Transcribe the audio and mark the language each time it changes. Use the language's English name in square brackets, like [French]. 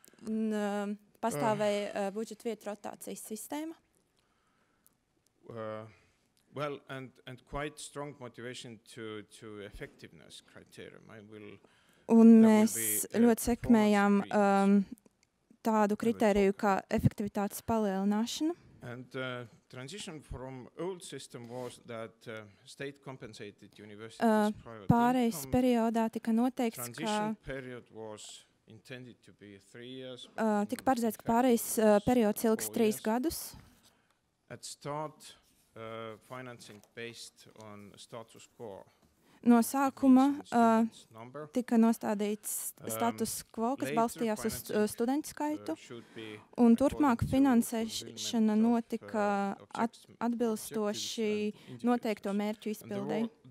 [Latvian] Un pastāvēja budžeta vietu rotācijas sistēma. [English] Well, and quite strong motivation to effectiveness criterion. I will [Latvian] Un mēs ļoti sekmējām tādu kritēriju kā efektivitātes palielināšana. [English] And transition from old system was that state compensated universities prior [Latvian] pāreiz periodā tika noteikts, ka [English] intended to be 3 years. [Latvian] Tika paredzēts, ka pārejas periods ilgs 3 gadus. [English] At start financing based on status quo. [Latvian] No sākuma tika nostādīts status quo, kas balstījās uz studentu skaitu, un turpmāk finansēšana notika atbilstoši noteikto mērķu izpildēji.